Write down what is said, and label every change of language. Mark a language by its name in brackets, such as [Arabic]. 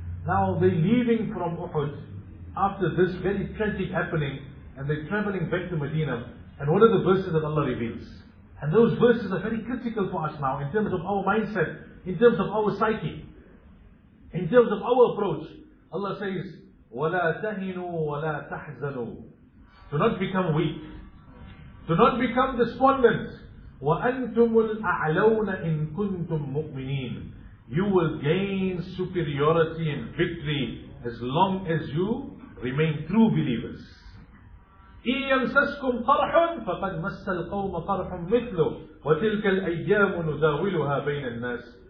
[English] Now they're leaving from Uhud after this very tragic happening, and they're traveling back to Medina. And what are the verses that Allah reveals? And those verses are very critical for us now in terms of our mindset, in terms of our psyche, in terms of our approach. Allah says, [Arabic] وَلَا تَهِنُوا وَلَا تَحْزَنُوا. [English] Do not become weak. Do not become despondent. [Arabic] وَأَنْتُمُ الْأَعْلَوْنَ إِن كُنْتُم مُؤْمِنِينَ. [English] You will gain superiority and victory as long as you remain true believers. [Arabic] إِن يَمْسَسْكُمْ قَرْحٌ فَقَدْ مَسَّ الْقَوْمَ قَرْحٌ مِثْلُهُ وَتِلْكَ الْأَيَّامُ نُدَاوِلُهَا بَيْنَ النَّاسِ.